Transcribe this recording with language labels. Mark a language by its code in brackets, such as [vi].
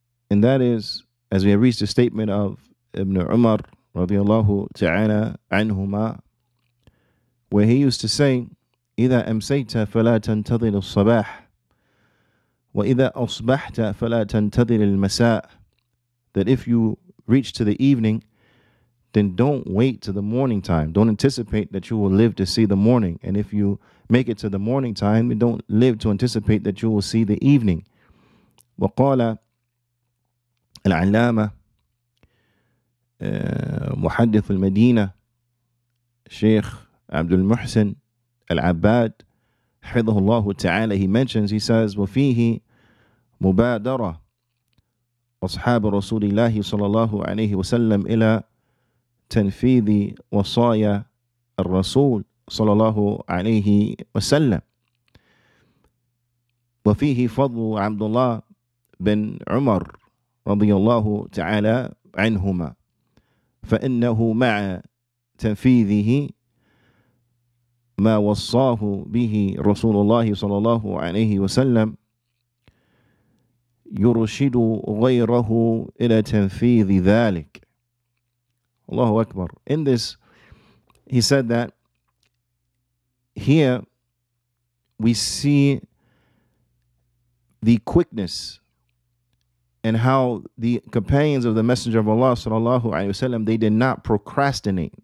[en] And that is, as we have reached the statement of Ibn Umar radiallahu ta'ala anhuma, where he used to say, [ar] إِذَا أَمْسَيْتَ فَلَا تَنْتَظِرِ الصَّبَاحِ وَإِذَا أَصْبَحْتَ فَلَا تَنْتَظِرِ الْمَسَاءِ, [en] that if you reach to the evening, then don't wait to the morning time. Don't anticipate that you will live to see the morning. And if you make it to the morning time, then don't live to anticipate that you will see the evening. [ar] وَقَالَ الْعَلَّامَ مُحَدِّثُ الْمَدِينَةِ شَيْخ Abdul Muhsin Al-Abbad حفظه الله تعالى, [en] he mentions, he says, [ar] وفيه مبادرة أصحاب رسول الله صلى الله عليه وسلم إلى تنفيذ وصايا الرسول صلى الله عليه وسلم وفيه فضل عبد الله بن عمر رضي الله تعالى عنهما فإنه مع تنفيذه ما وصاه به رسول الله صلى الله عليه وسلم يرشد غيره إلى تنفيذ ذلك. الله أكبر. [en] In this, he said that here we see the quickness and how the companions of the Messenger of Allah [ar] صلى الله عليه وسلم, [en] they did not procrastinate.